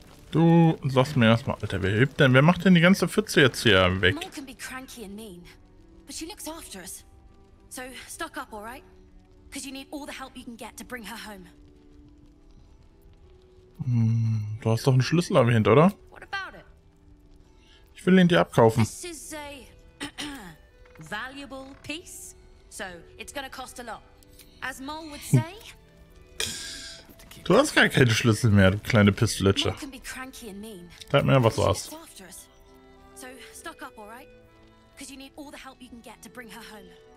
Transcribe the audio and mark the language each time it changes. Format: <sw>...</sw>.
<de>Du sagst mir erstmal, Alter, wer hebt denn? Wer macht denn die ganze Pfütze jetzt hier weg?</de> <en>Mom can be cranky and mean, but she looks after us. So stock up, all right? Because you need all the help you can get to bring her home.</en> <de>Du hast doch einen Schlüssel erwähnt, oder?</de> <en>What about it?</en> <de>Ich will ihn dir abkaufen.</de> <en>This is a valuable piece, so it's gonna cost a lot. As Mom would say.</en> <de>Du hast gar keine Schlüssel mehr, du kleine Pistolitsche. Sag mir, was du hast.</de> <en>So, stock up, alright? Because you need all the help you can get to bring her home.</en>